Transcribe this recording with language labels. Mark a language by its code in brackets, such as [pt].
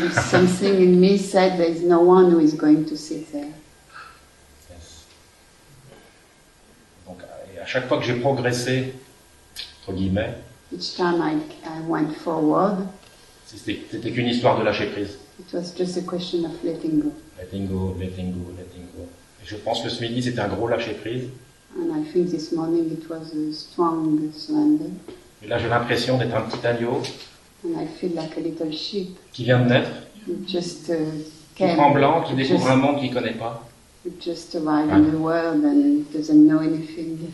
[en] Something in me said there is no one who is going to sit there. Yes. [fr] Donc, à chaque fois que j'ai progressé, entre guillemets, [en] each time I went forward, [fr] c'était qu'une histoire de lâcher prise. [en] It was just a question of letting go. Letting go, letting go, letting go. [fr] Je pense que ce midi, c'était un gros lâcher-prise. [en] And I think this morning it was a strong surrender. [fr] Et là, j'ai l'impression d'être un petit agneau. [en] And I feel like a little sheep. [fr] Qui vient de naître. [en] Just [fr] tremblant, qui découvre un monde qu'il ne connaît pas. [en] Just arrive in the world and doesn't know anything.